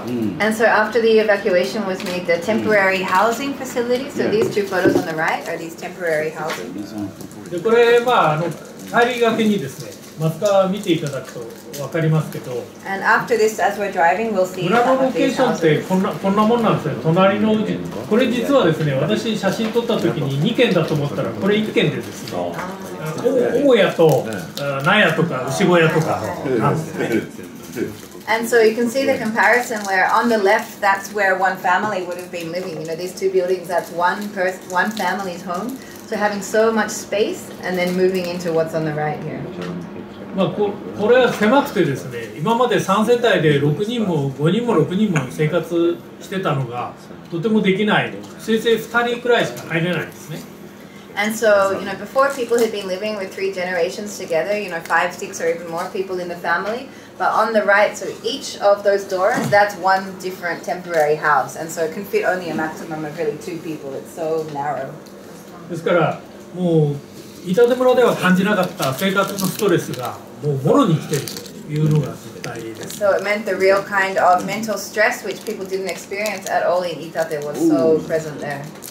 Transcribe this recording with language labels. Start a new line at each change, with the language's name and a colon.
English: And so after the evacuation was made, the temporary housing facility. So these two photos on the right are these temporary housing.
Japanese: でこれまあ帰りがけにですね、また見ていただくと分かりますけど。
English: And after this, as we're driving, we'll see.
Japanese: 村のロケーションってこんなもんなんですね。隣のこれ実はですね、私写真撮った時に2軒だと思ったらこれ1軒でですね。大屋と納屋とか牛小屋とかなんですね。
English: And so you can see the comparison where on the left, that's where one family would have been living. You know, these two buildings, that's one family's home. So having so much space and then moving into what's on the right here.
Japanese: まあ、これは狭くてですね、今まで3世帯で6人も5人も6人も生活してたのがとてもできない。せいぜい2人くらいしか入れないですね。
English: And so, you know, before people had been living with three generations together, you know, five, six or even more people in the family. But on the right, so each of those doors, that's one different temporary house. And so it can fit only a maximum of really two people. It's so narrow.
Japanese: ですから、もう、伊達村では感じなかった生活のストレスが、もうもろに来てるというのが絶対です。
English: So it meant the real kind of mental stress, which people didn't experience at all in Itate was so present there.